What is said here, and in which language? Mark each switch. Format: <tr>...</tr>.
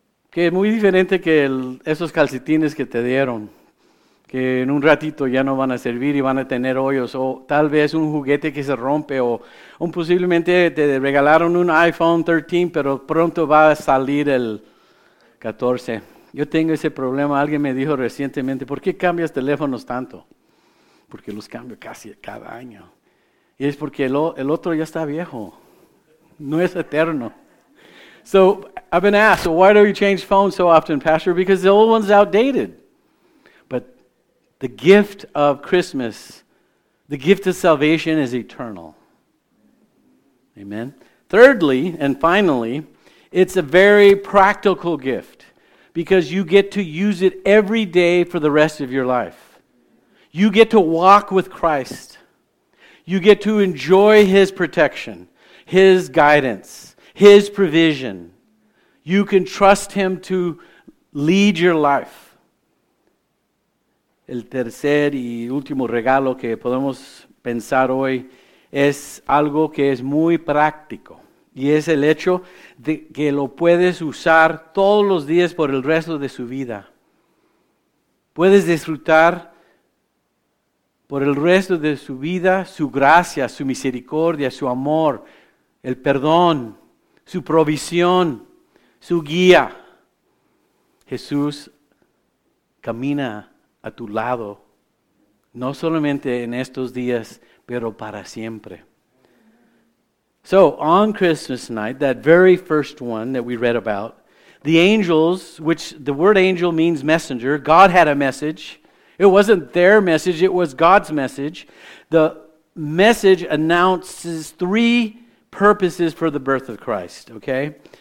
<es>Que es muy diferente que esos calcetines que te dieron, que en un ratito ya no van a servir y van a tener hoyos, o tal vez un juguete que se rompe, o posiblemente te regalaron un iPhone 13, pero pronto va a salir el 14. Yo tengo ese problema, alguien me dijo recientemente, ¿por qué cambias teléfonos tanto? Porque los cambio casi cada año. Y es porque el otro ya está viejo, no es eterno.</es> <en>So I've been asked, why do you change phones so often, Pastor? Because the old one's outdated. But the gift of Christmas, the gift of salvation is eternal. Amen. Thirdly, and finally, it's a very practical gift because you get to use it every day for the rest of your life. You get to walk with Christ. You get to enjoy His protection, His guidance, His provision. You can trust Him to lead your life.</en> <es>El tercer y último regalo que podemos pensar hoy es algo que es muy práctico. Y es el hecho de que lo puedes usar todos los días por el resto de su vida. Puedes disfrutar por el resto de su vida su gracia, su misericordia, su amor, el perdón, su provisión, su guía. Jesús camina a tu lado, no solamente en estos días, pero para siempre.</es> <en>So, on Christmas night, that very first one that we read about, the angels, which the word angel means messenger, God had a message. It wasn't their message, it was God's message. The message announces three purposes for the birth of Christ, okay?</en>